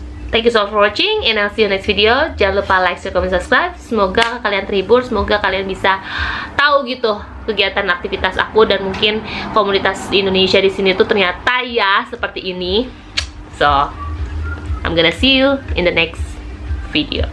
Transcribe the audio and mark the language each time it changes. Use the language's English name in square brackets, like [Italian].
[English] Thank you so much for watching and I'll see you next video. [Indonesian] Jangan lupa like, share, comment, subscribe. Semoga kalian terhibur, semoga kalian bisa tahu gitu kegiatan aktivitas aku dan mungkin komunitas Indonesia di sini tuh ternyata ya seperti ini. [English] So, I'm gonna see you in the next video.